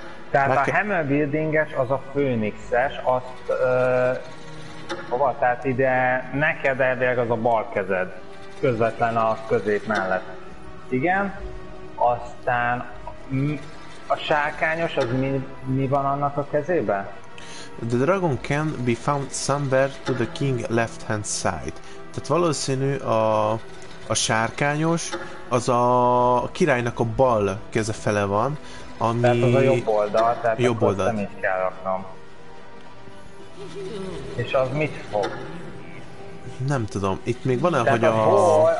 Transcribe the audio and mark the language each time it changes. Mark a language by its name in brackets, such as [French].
[Hungarian] Tehát a Hammerbuilding-es, az a főnixes, azt... hova? Tehát ide neked elvileg az a bal kezed. Közvetlen a közép mellett. Igen. Aztán... A sárkányos, az mi van annak a kezében? [English] The dragon can be found somewhere to the king left hand side. [Hungarian] Tehát valószínű a sárkányos, az a királynak a bal keze fele van, ami... Tehát az a jobb oldal, tehát jobb oldal. Nem is kell raknom. És az mit fog? Nem tudom, itt még van-e, hogy a...